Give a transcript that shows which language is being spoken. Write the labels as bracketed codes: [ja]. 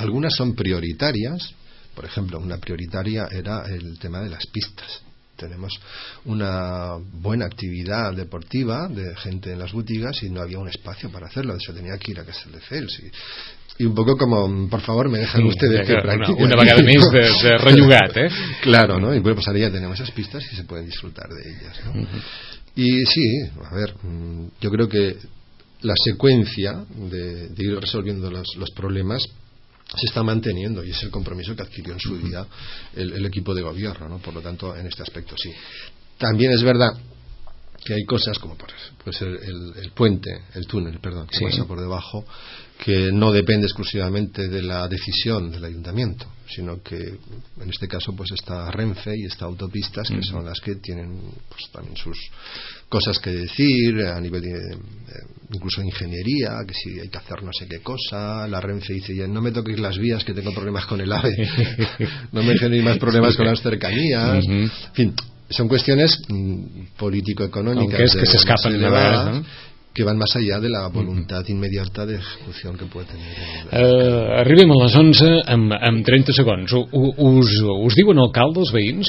[es] Algunas son prioritarias, por ejemplo, una prioritaria era el tema de las pistas. Tenemos una buena actividad deportiva de gente en las boutiques y no había un espacio para hacerlo. Se tenía que ir a Castel de Fels. Y un poco como, por favor, me dejan ustedes que practiquen. [ca] Una vegada més de renyugat, ¿eh? [es] Claro, ¿no? Y bueno, pues ahora ya tenemos esas pistas y se pueden disfrutar de ellas, ¿no? Uh-huh. Y sí, a ver, yo creo que la secuencia de ir resolviendo los problemas se está manteniendo, y es el compromiso que adquirió en su día el equipo de gobierno, ¿no? Por lo tanto, en este aspecto sí. También es verdad que hay cosas como el túnel que pasa por debajo, que no depende exclusivamente de la decisión del ayuntamiento, sino que en este caso pues está Renfe y está Autopistas, que son las que tienen pues también sus cosas que decir a nivel de incluso ingeniería, que si hay que hacer no sé qué cosa. La Renfe dice: ya no me toquéis las vías, que tengo problemas con el AVE, no me generéis más problemas con las cercanías, en fin. Son cuestiones político-económicas. Aunque es que se escapan de verdad, ¿no? Que van más allá [ca] de la voluntat immediata d'execució que pot tenir. Arribem a les 11 en 30 segons. Us diuen alcalde, els veïns?